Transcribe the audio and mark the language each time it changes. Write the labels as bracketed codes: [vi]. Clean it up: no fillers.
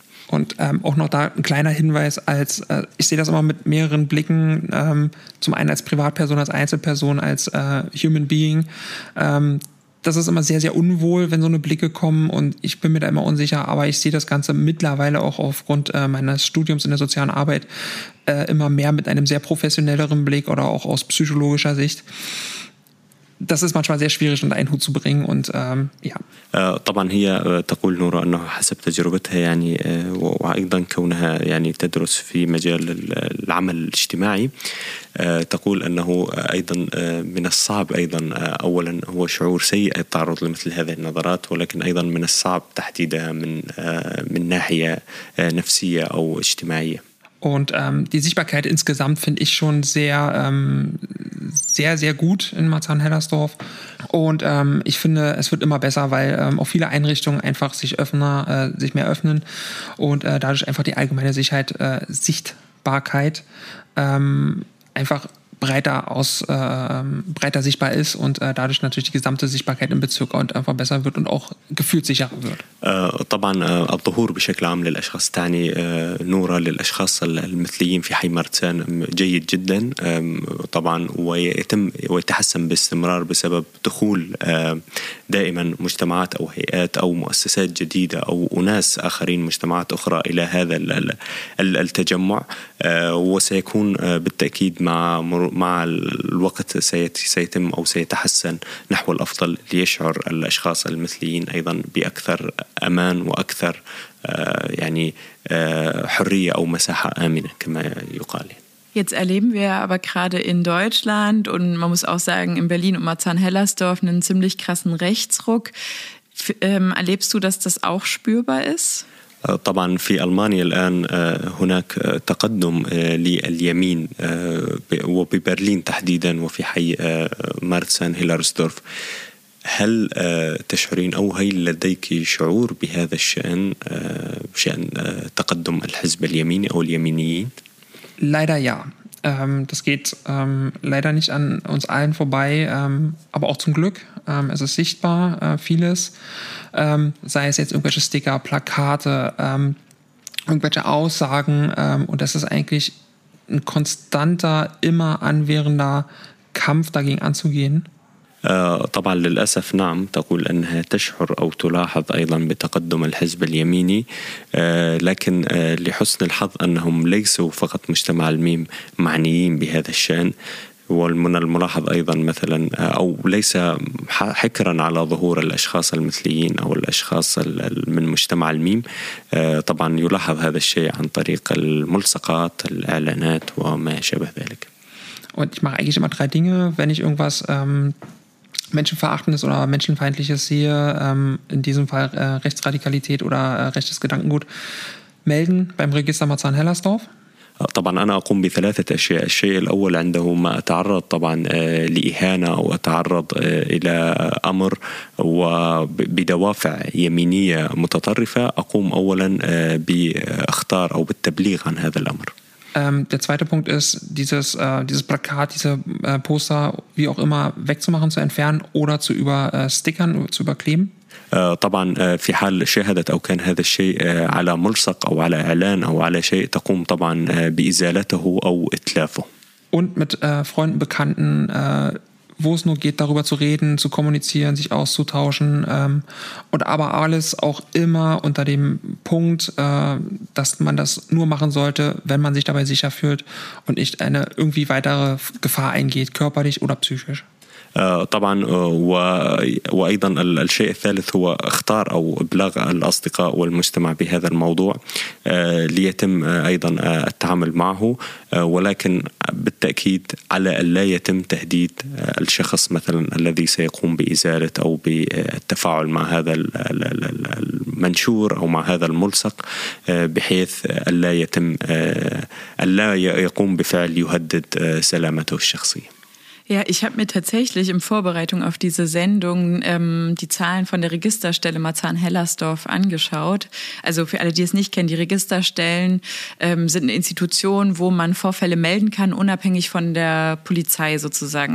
[de] Und auch noch da ein kleiner Hinweis, als ich sehe das immer mit mehreren Blicken, zum einen als Privatperson, als Einzelperson, als [en] Human Being. [de] Das ist immer sehr, sehr unwohl, wenn so eine Blicke kommen und ich bin mir da immer unsicher, aber ich sehe das Ganze mittlerweile auch aufgrund meines Studiums in der sozialen Arbeit immer mehr mit einem sehr professionelleren Blick oder auch aus psychologischer Sicht. Das ist manchmal sehr schwierig unter einen Hut zu bringen und ja. [ar] طبعا هي تقول نورا أنه حسب تجربتها يعني وأيضا كونها يعني تدرس في مجال العمل الاجتماعي تقول أنه أيضا من الصعب أيضا أولا هو شعور سيء التعرض لمثل هذه النظرات ولكن أيضا من الصعب تحديدها من ناحية نفسية أو اجتماعية. [de] Und die Sichtbarkeit insgesamt finde ich schon sehr, sehr, sehr gut in Marzahn-Hellersdorf. Und ich finde, es wird immer besser, weil auch viele Einrichtungen einfach sich mehr öffnen und dadurch einfach die allgemeine Sichtbarkeit einfach breiter sichtbar ist und dadurch natürlich die gesamte Sichtbarkeit im Bezirk und einfach besser wird und auch gefühlt sicherer wird. [ar] طبعا الظهور بشكل عام للأشخاص تاني نورة للأشخاص المثليين في حي مرتان جيد جدا طبعا ويتم ويتحسن باستمرار بسبب دخول دائما مجتمعات أو هيئات أو مؤسسات جديدة أو أناس آخرين مجتمعات أخرى إلى هذا التجمع وسيكون بالتأكيد مع الوقت سيتم أو سيتحسن نحو الأفضل ليشعر الأشخاص المثليين أيضا بأكثر أمان وأكثر يعني حرية أو مساحة آمنة كما يقال. [de] Jetzt erleben wir aber gerade in Deutschland und man muss auch sagen in Berlin und Marzahn-Hellersdorf einen ziemlich krassen Rechtsruck. Erlebst du, dass das auch spürbar ist? [ar] طبعا في ألمانيا الآن هناك تقدم لليمين وببرلين تحديدا وفي حي مارتسان هيلارسدورف هل تشعرين أو هل لديك شعور بهذا الشأن شأن تقدم الحزب اليميني أو اليمينيين؟ [de] Leider ja. Das geht leider nicht an uns allen vorbei, aber auch zum Glück. Es ist sichtbar, vieles. Sei es jetzt irgendwelche Sticker, Plakate, irgendwelche Aussagen. Und das ist eigentlich ein konstanter, immer anwährender Kampf, dagegen anzugehen. [ar] طبعا للأسف نعم تقول أنها تشعر أو تلاحظ أيضا بتقدم الحزب اليميني لكن لحسن الحظ أنهم ليسوا فقط مجتمع الميم معنيين بهذا الشأن ومن الملاحظ أيضا مثلا أو ليس حكرا على ظهور الأشخاص المثليين أو الأشخاص من مجتمع الميم طبعا يلاحظ هذا الشيء عن طريق الملصقات الإعلانات وما شابه ذلك. [de] Ich mache eigentlich immer drei Dinge, wenn ich irgendwas Menschenverachtendes oder Menschenfeindliches sehe, in diesem Fall Rechtsradikalität oder rechtes Gedankengut, melden beim Register Marzahn-Hellersdorf. [ar] طبعا أنا أقوم بثلاثة أشياء الشيء الأول عندما أتعرض طبعا لإهانة أو أتعرض إلى أمر وبدوافع يمينية متطرفة أقوم أولا بأختار أو بالتبليغ عن هذا الأمر. [de] Der zweite Punkt ist, dieses Plakat, diese Poster, wie auch immer, wegzumachen, zu entfernen oder zu überstickern, zu überkleben. [ar] طبعا في حال شاهدت أو كان هذا الشيء على ملصق أو على إعلان أو على شيء تقوم طبعا بإزالته أو إتلافه. [de] Und mit Freunden, Bekannten, wo es nur geht, darüber zu reden, zu kommunizieren, sich auszutauschen. Und aber alles auch immer unter dem Punkt, dass man das nur machen sollte, wenn man sich dabei sicher fühlt und nicht eine irgendwie weitere Gefahr eingeht, körperlich oder psychisch. [ar] طبعا وأيضا الشيء الثالث هو اختار أو إبلاغ الأصدقاء والمجتمع بهذا الموضوع ليتم أيضا التعامل معه ولكن بالتأكيد على ألا يتم تهديد الشخص مثلا الذي سيقوم بإزالة أو بالتفاعل مع هذا المنشور أو مع هذا الملصق بحيث ألا يتم ألا يقوم بفعل يهدد سلامته الشخصية. [de] Ja, ich habe mir tatsächlich in Vorbereitung auf diese Sendung die Zahlen von der Registerstelle Marzahn-Hellersdorf angeschaut. Also für alle, die es nicht kennen, die Registerstellen sind eine Institution, wo man Vorfälle melden kann, unabhängig von der Polizei sozusagen.